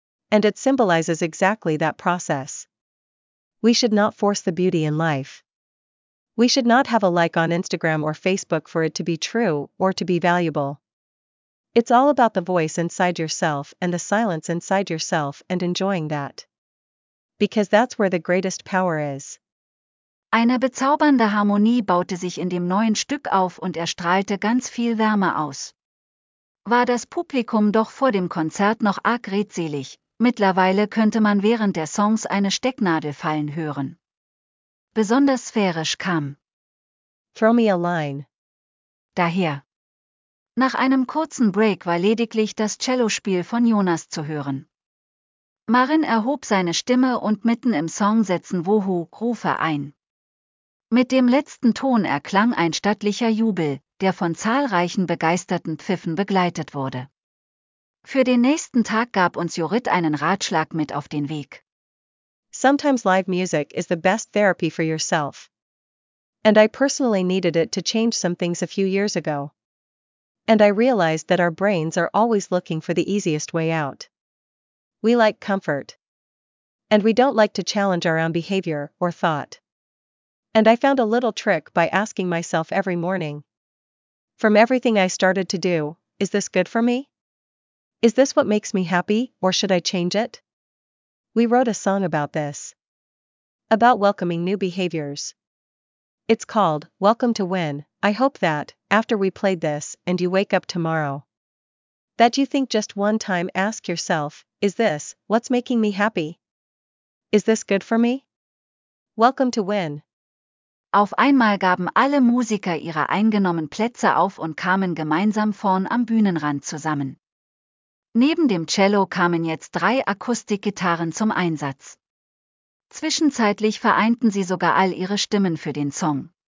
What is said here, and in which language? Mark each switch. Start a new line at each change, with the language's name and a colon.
English: And it symbolizes exactly that process. We should not force the beauty in life. We should not have a like on Instagram or Facebook for it to be true or to be valuable. It's all about the voice inside yourself and the silence inside yourself and enjoying that. Because that's where the greatest power is.
German: Eine bezaubernde Harmonie baute sich in dem neuen Stück auf und erstrahlte ganz viel Wärme aus. War das Publikum doch vor dem Konzert noch arg redselig, mittlerweile könnte man während der Songs eine Stecknadel fallen hören. Besonders sphärisch kam
English: Throw Me a Line
German: daher. Nach einem kurzen Break war lediglich das Cellospiel von Jonas zu hören. Maren erhob seine Stimme und mitten im Song setzten Wohoo-Rufe ein. Mit dem letzten Ton erklang ein stattlicher Jubel, der von zahlreichen begeisterten Pfiffen begleitet wurde. Für den nächsten Tag gab uns Jorrit einen Ratschlag mit auf den Weg.
English: Sometimes live music is the best therapy for yourself. And I personally needed it to change some things a few years ago. And I realized that our brains are always looking for the easiest way out. We like comfort. And we don't like to challenge our own behavior or thought. And I found a little trick by asking myself every morning. From everything I started to do, is this good for me? Is this what makes me happy, or should I change it? We wrote a song about this. About welcoming new behaviors. It's called, Welcome to Win. I hope that, after we played this, and you wake up tomorrow, that you think just one time ask yourself, is this, what's making me happy? Is this good for me? Welcome to Win.
German: Auf einmal gaben alle Musiker ihre eingenommenen Plätze auf und kamen gemeinsam vorn am Bühnenrand zusammen. Neben dem Cello kamen jetzt drei Akustikgitarren zum Einsatz. Zwischenzeitlich vereinten sie sogar all ihre Stimmen für den Song.